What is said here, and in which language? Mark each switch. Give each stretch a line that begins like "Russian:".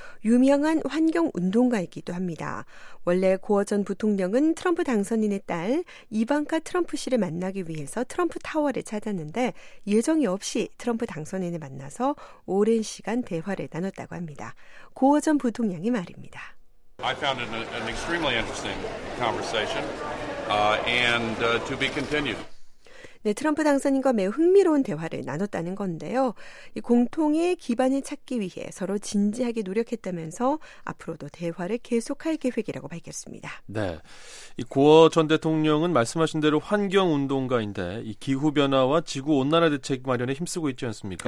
Korean: 유명한 환경운동가이기도 합니다. 원래 고어 전 부통령은 트럼프 당선인의 딸 이방카 트럼프 씨를 만나기 위해서 트럼프 타워를 찾았는데 예정이 없이 트럼프 당선인을 만나서 오랜 시간 대화를 나눴다고 합니다. 고어 전 부통령이 말입니다.
English: I found an extremely interesting conversation and to be continued.
Korean: 네, 트럼프 당선인과 매우 흥미로운 대화를 나눴다는 건데요. 이 공통의 기반을 찾기 위해 서로 진지하게 노력했다면서 앞으로도 대화를 계속할 계획이라고 밝혔습니다. 네, 이 고어 전 대통령은 말씀하신 대로 환경운동가인데 이 기후변화와 지구온난화 대책 마련에 힘쓰고 있지 않습니까?